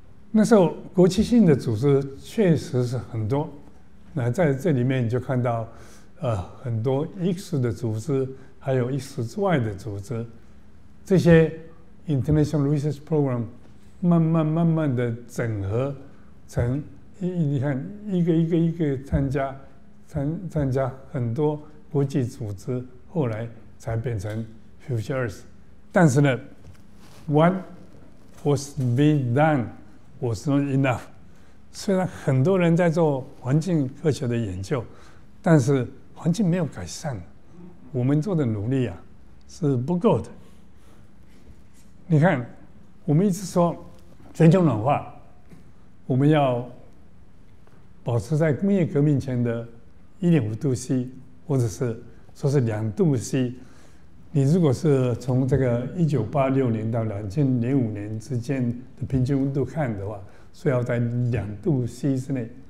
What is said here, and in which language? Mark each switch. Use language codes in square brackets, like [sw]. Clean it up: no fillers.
[zh] 那时候国际性的组织确实是很多，那在这里面你就看到很多艺术的组织，还有艺术之外的组织，这些 International Research Program 慢慢的整合成，你看一个参加很多国际组织，后来才变成 Future Earth。但是呢， [en] What was being done was not enough。 [zh] 虽然很多人在做环境科学的研究，但是环境没有改善，我们做的努力啊是不够的。你看我们一直说全球暖化，我们要保持在工业革命前的 1.5°C 或者是说是2°C， 你如果是从这个1986年到2005年之间的平均温度看的话，是要在2°C 之内。